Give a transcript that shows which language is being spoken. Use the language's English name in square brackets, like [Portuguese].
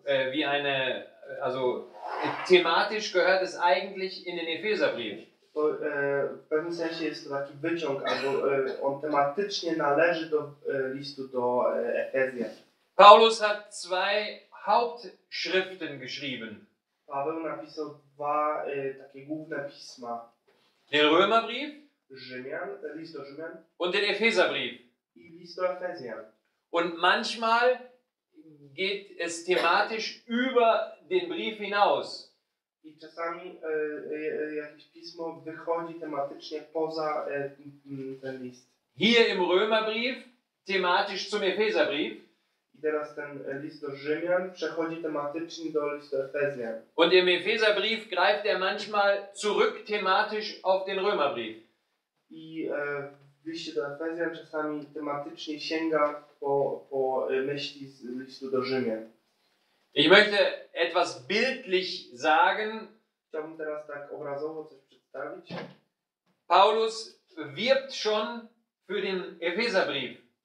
[German] Wie eine, also thematisch gehört es eigentlich in den Epheserbrief. [Polish] W pewnym sensie jest to taki wyciąg, albo on tematycznie należy do listu do Efezjan. [German] Paulus hat zwei Hauptschriften geschrieben. [Polish] Paweł napisał dwa takie główne pisma. [German] Den Römerbrief, [Polish] Rzymian, list do Rzymian, [German] und den Epheserbrief. [Polish] I list do Efezjan. [German] Und manchmal geht es thematisch über den Brief hinaus. [Polish] I czasami jakieś pismo wychodzi tematycznie poza ten list. [German] Hier im Römerbrief thematisch zum Epheserbrief. [Polish] Teraz ten list do Rzymian przechodzi tematycznie do listu Efezjan. [German] Und im Epheserbrief greift manchmal zurück thematisch auf den Römerbrief. [Polish] I w liście do Efezjan czasami tematycznie sięga po myśli z listu do Rzymian. [German] Ich möchte etwas bildlich sagen. [Polish] Chciałbym teraz tak obrazowo coś przedstawić. [German] Paulus wirbt schon für den Epheserbrief.